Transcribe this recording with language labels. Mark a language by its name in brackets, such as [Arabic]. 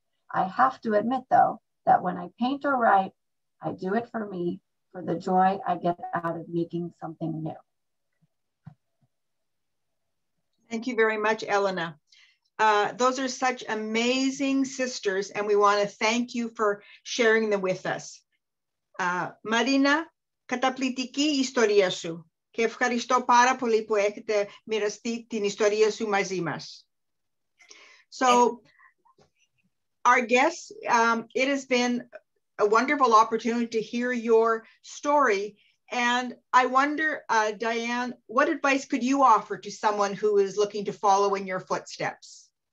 [English] I have to admit, though, that when I paint or write, I do it for me, for the joy I get out of making something new." Thank you very much, Elena. Those are such amazing sisters, and we want to thank you for sharing them with us. [Greek] Marina, καταπληκτική ιστορία σου. Και ευχαριστώ πάρα πολύ που έχετε μοιραστεί την ιστορία σου μαζί μας. [English] So, our guests, it has been a wonderful opportunity to hear your story. And I wonder, Diane, what advice could you offer to someone who is looking to follow in your footsteps?